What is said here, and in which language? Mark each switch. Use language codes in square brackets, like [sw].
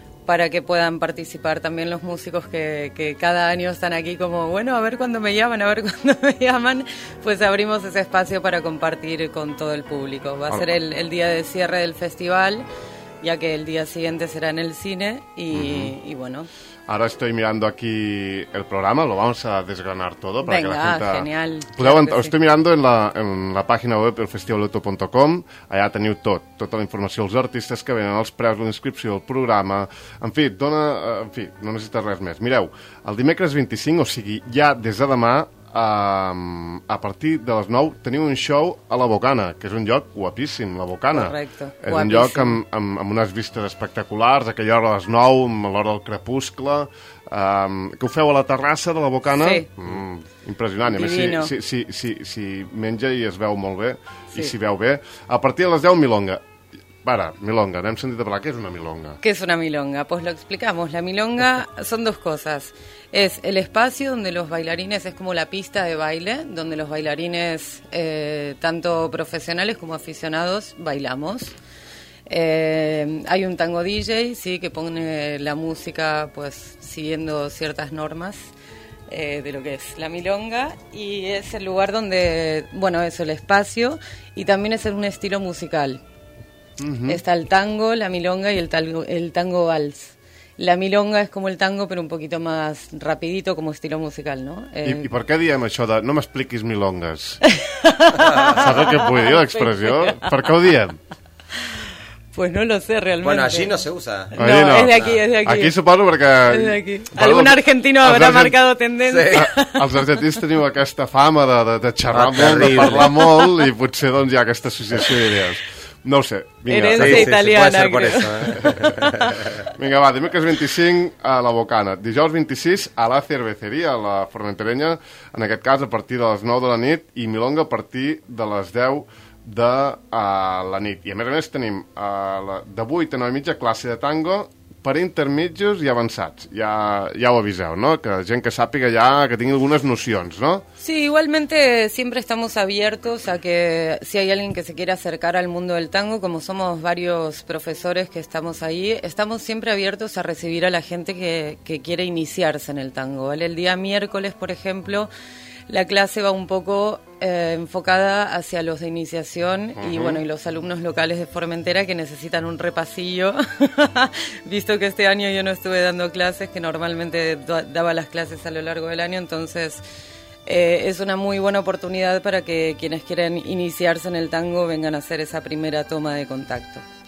[es] para que puedan participar también los músicos que cada año están aquí como, bueno, a ver cuándo me llaman, a ver cuándo me llaman, pues abrimos ese espacio para compartir con todo el público. Va a ser el día de cierre del festival, ya que el día siguiente será en el cine y, y bueno. Ahora estoy mirando aquí el programa, lo vamos a desgranar todo para venga, que la gente... Venga, genial. Podeu, claro que estoy sí. [ca] mirando en la página web elfestivaloto.com, allà teniu tot, tota la informació, els artistes que venen, els preus, la inscripció, el programa... En fi, dona, en fi, no necessita res més. Mireu, el dimecres 25, o sigui, ja des de demà, a partir de les 9, teniu un show a La Bocana, que és un lloc guapíssim, La Bocana. Correcte, és guapíssim. Un lloc amb unes vistes espectaculars, aquella hora a les 9, a l'hora del crepuscle, que ho feu a la terrassa de La Bocana. Sí. Impressionant. Divino. A més, si menja i es veu molt bé, sí. I si veu bé. A partir de les 10, milonga. Para, milonga, n'hem sentit a parlar. Què és una milonga? Què és una milonga? [es] Pues lo explicamos. La milonga son dos cosas. Es el espacio donde los bailarines, es como la pista de baile, donde los bailarines, tanto profesionales como aficionados, bailamos. Hay un tango DJ, sí, que pone la música pues siguiendo ciertas normas de lo que es la milonga. Y es el lugar donde, bueno, es el espacio y también es un estilo musical. Uh-huh. Está el tango, la milonga y el tango vals. La milonga es como el tango, pero un poquito más rapidito, como estilo musical, ¿no? ¿Y por qué [ca] diem això de no m'expliquis milongas? ¿Saps el que vull dir, l'expressió? ¿Per què ho diem? [es] Pues no lo sé, realmente. Bueno, allí no se usa. No, no. Es de aquí. [ca] Aquí suposo perquè... [es] Es de aquí. Algún argentino habrá marcado tendencia. Sí. [ca] Els argentins teniu aquesta fama de xerrar molt, de parlar molt, i potser doncs, hi ha aquesta associació d'idees. No ho sé. Herència sí, italiana. [es] Sí, puede ser creo. Por eso. [ca] Vinga, va, dimecres 25 a La Bocana. Dijous 26 a La Cerveceria, a la Formentereña, en aquest cas a partir de les 9 de la nit, i milonga a partir de les 10 de la nit. I a més tenim de 8 a 9 i mitja classe de tango per intermitjos i avançats. Ja ho aviseu, no? Que gent que sàpiga ja, que tingui algunes nocions, no? [es] Sí, igualmente siempre estamos abiertos a que si hay alguien que se quiera acercar al mundo del tango, como somos varios profesores que estamos ahí, estamos siempre abiertos a recibir a la gente que quiere iniciarse en el tango, ¿vale? El día miércoles, por ejemplo, la clase va un poco enfocada hacia los de iniciación y bueno, y los alumnos locales de Formentera que necesitan un repasillo, visto que este año yo no estuve dando clases, que normalmente daba las clases a lo largo del año, entonces es una muy buena oportunidad para que quienes quieren iniciarse en el tango vengan a hacer esa primera toma de contacto.